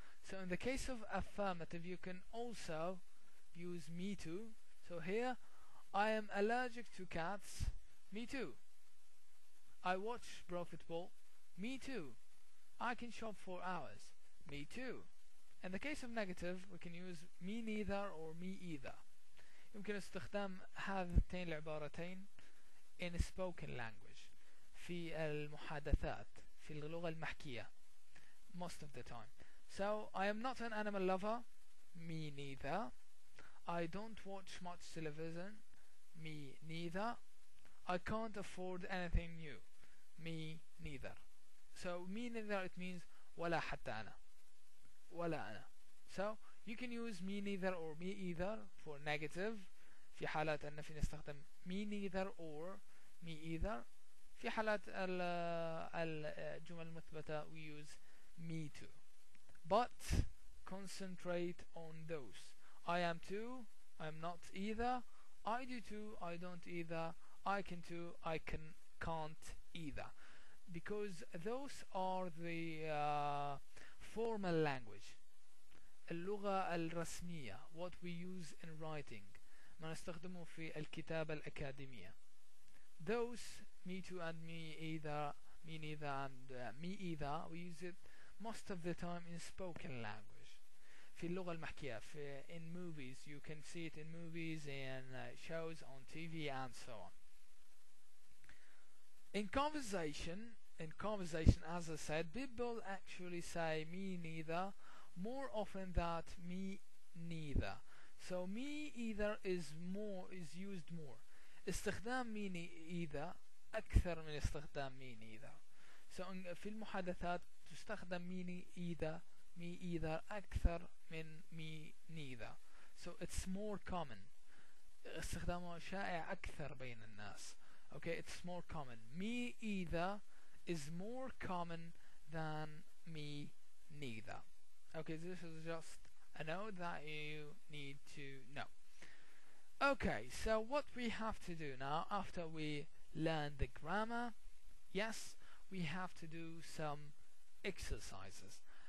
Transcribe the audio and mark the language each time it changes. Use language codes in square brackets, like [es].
[en] So in the case of affirmative, you can also use me too. So here, I am allergic to cats, me too. I watch pro football, me too. I can shop for hours, me too. In the case of negative, we can use me neither or me either. [ar] يمكن استخدام هاتين العبارتين [en] in spoken language, [ar] في المحادثات, في اللغة المحكية, [en] most of the time. So I am not an animal lover, me neither. I don't watch much television, me neither. I can't afford anything new, me neither. So me neither, it means [ar] ولا حتى أنا, ولا أنا. [en] So you can use me neither or me either for negative. [ar] في حالات النفي نستخدم [en] me neither or me either. [ar] في حالات الجمل المثبتة [en] we use me too. But concentrate on those. I am too. I am not either. I do too. I don't either. I can too. I can can't either. Because those are the formal language. [ar] اللغة الرسمية. [en] What we use in writing. [ar] ما نستخدمه في الكتابة الأكاديمية. [en] Those, me too and me either, me neither and me either, we use it most of the time in spoken language. [ar] في اللغة المحكية, [en] in movies, you can see it in movies, in shows, on TV and so on. In conversation, as I said, people actually say me neither more often than me neither. So me either is used more. [ar] استخدام me neither أكثر من استخدام me neither. So في المحادثات تستخدم me either أكثر من me neither. [en] So it's more common. [ar] استخدامه شائع أكثر بين الناس. [en] Okay, it's more common. Me either is more common than me neither. Okay, this is just a note that you need to know. Okay, so what we have to do now after we learn the grammar, yes, we have to do some exercises.